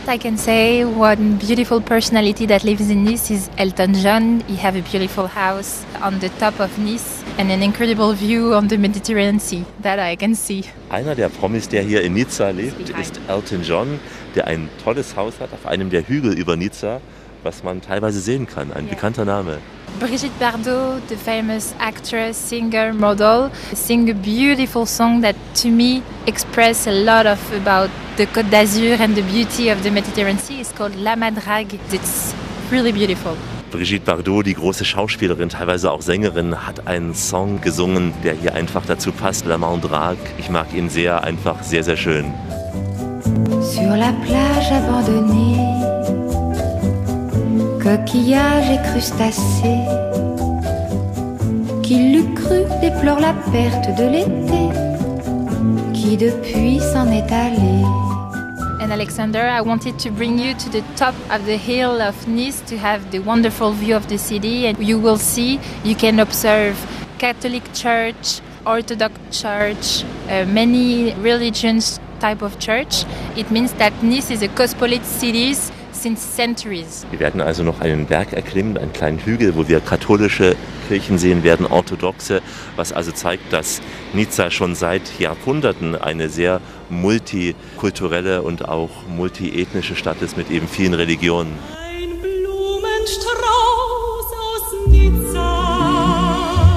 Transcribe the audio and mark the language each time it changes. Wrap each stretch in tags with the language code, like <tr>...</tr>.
<en>I can say one beautiful personality that lives in Nice is Elton John. He has a beautiful house on the top of Nice. And an incredible view on the Mediterranean Sea, that I can see.</en> <de>Einer der Promis, der hier in Nizza lebt, ist Elton John, der ein tolles Haus hat auf einem der Hügel über Nizza, was man teilweise sehen kann. Ein bekannter Name.</de> <en>Brigitte Bardot, the famous actress, singer, model, sing a beautiful song that to me express a lot of about the Côte d'Azur and the beauty of the Mediterranean Sea. It's called La Madrague. It's really beautiful.</en> <de>Brigitte Bardot, die große Schauspielerin, teilweise auch Sängerin, hat einen Song gesungen, der hier einfach dazu passt, La Mandrague. Ich mag ihn sehr, einfach sehr, sehr schön.</de> <fr>Sur la plage abandonnée, coquillages et crustacés, qui l'eût cru déplore la perte de l'été, qui depuis s'en est allé.</fr> <en>And Alexander, I wanted to bring you to the top of the hill of Nice to have the wonderful view of the city. And you will see, you can observe Catholic Church, Orthodox Church, many religions type of church. It means that Nice is a cosmopolitan city since centuries.</en> <de>Wir werden also noch einen Berg erklimmen, einen kleinen Hügel, wo wir katholische Kirchen sehen werden, orthodoxe, was also zeigt, dass Nizza schon seit Jahrhunderten eine sehr multikulturelle und auch multiethnische Stadt ist mit eben vielen Religionen. Ein Blumenstrauß aus Nizza.</de>